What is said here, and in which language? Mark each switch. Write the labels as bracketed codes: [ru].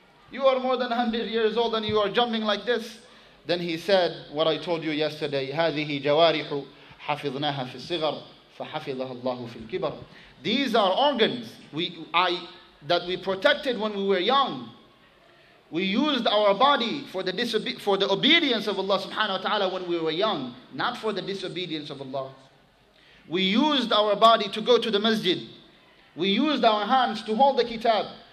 [en] You are more than 100 years old and you are jumping like this." Then he said, what I told you yesterday, [ar] هَذِهِ جَوَارِحُ حَفِظْنَاهَا فِي الصِّغَرِ فَحَفِظَهَا اللَّهُ فِي الْكِبَرِ. [en] These are organs that we protected when we were young. We used our body for the obedience of Allah subhanahu wa ta'ala when we were young, not for the disobedience of Allah. We used our body to go to the masjid. We used our hands to hold the kitab.